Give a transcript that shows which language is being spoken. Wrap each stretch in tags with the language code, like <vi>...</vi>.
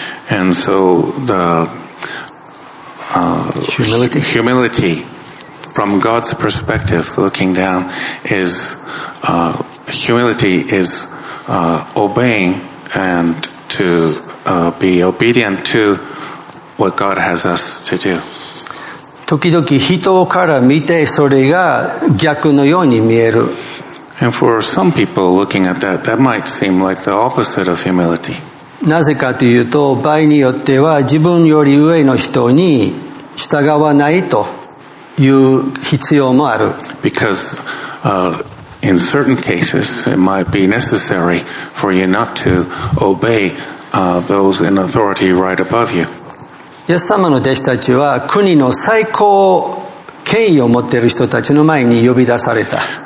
<en>And so the、humility from God's perspective looking down is、humility is、obeyingand to、be obedient to what God has us to do。</en> <ja>時々人から見てそれが逆のように見える。</ja> <en>And for some people looking at that, that might seem like the opposite of humility。</en> <ja>なぜかというと場合によっては自分より上の人に従わないという必要もある。</ja> <en>Because、in certain cases, it might be necessary for you not to obey、those in authority right above you.</en> <ja>イエス様の弟子たちは国の最高権威を持っている人たちの前に呼び出された。</ja>